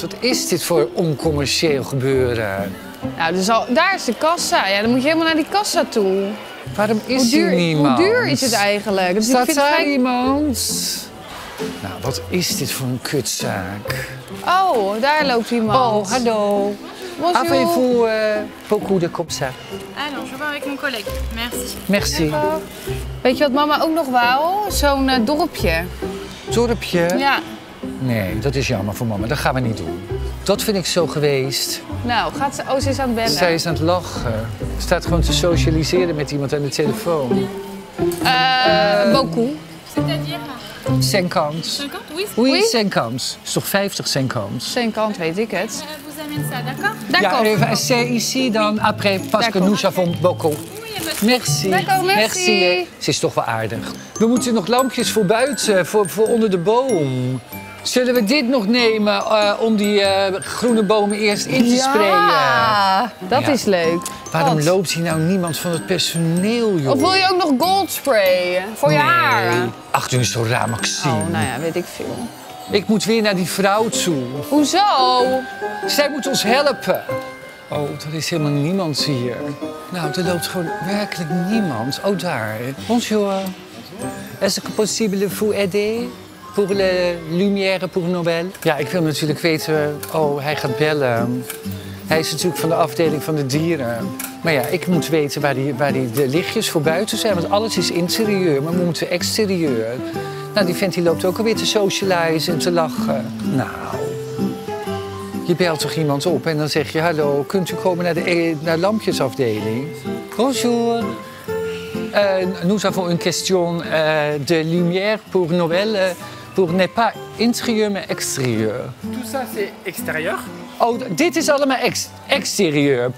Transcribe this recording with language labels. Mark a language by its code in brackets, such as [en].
[nl] Wat is dit voor oncommercieel gebeuren? Nou, daar is de kassa. Ja, dan moet je helemaal naar die kassa toe. Waarom is hier niemand? Hoe duur is het eigenlijk? Dus staat daar iemand? Nou, wat is dit voor een kutzaak? Oh, daar loopt iemand. Oh, hallo. [fr] Bonjour. Avez-vous beaucoup de comme ça? Ah non, je vais avec mon collègue. Merci. Merci. [nl] Weet je wat mama ook nog wou? Zo'n dorpje. Dorpje? Ja. Nee, dat is jammer voor mama. Dat gaan we niet doen. Dat vind ik zo geweest. Nou, gaat ze... Oh, ze is aan het bellen. Zij is aan het lachen. Ze staat gewoon te socialiseren met iemand aan de telefoon. [fr] Beaucoup. Cinquante. Cinquante? Oui, oui. Cinquante. [nl] Is toch 50 [fr] cinquante? Cinquante, [nl] weet ik het. [fr] Vous amène ça, d'accord? [nl] Ja, [fr] c'est ici [nl] dan [fr] après, parce que nous avons beaucoup. Merci. D'accord, merci. Merci. [nl] Ze is toch wel aardig. We moeten nog lampjes voor buiten, voor onder de boom. Zullen we dit nog nemen om die groene bomen eerst in te sprayen? Ja, dat is leuk. Waarom loopt hier nou niemand van het personeel, joh? Of wil je ook nog gold sprayen voor je haar? Ach, doe eens zo raar, Maxime. Oh, nou ja, weet ik veel. Ik moet weer naar die vrouw toe. Hoezo? Zij moet ons helpen. Oh, er is helemaal niemand hier. Nou, er loopt gewoon werkelijk niemand. Oh, daar. [fr] Bonjour. Est-ce que possible vous aider? Pour la lumière, pour Nobel. [nl] Ja, ik wil natuurlijk weten... Oh, hij gaat bellen. Hij is natuurlijk van de afdeling van de dieren. Maar ja, ik moet weten waar de lichtjes voor buiten zijn. Want alles is interieur, maar we moeten exterieur. Nou, die vent die loopt ook alweer te socializen en te lachen. Nou, je belt toch iemand op en dan zeg je... Hallo, kunt u komen naar de lampjesafdeling? [fr] Bonjour. Nous avons une question de lumière pour Noël, pour n'est pas intérieur mais extérieur. Tout ça c'est extérieur. [nl] Oh, dit is allemaal extérieur.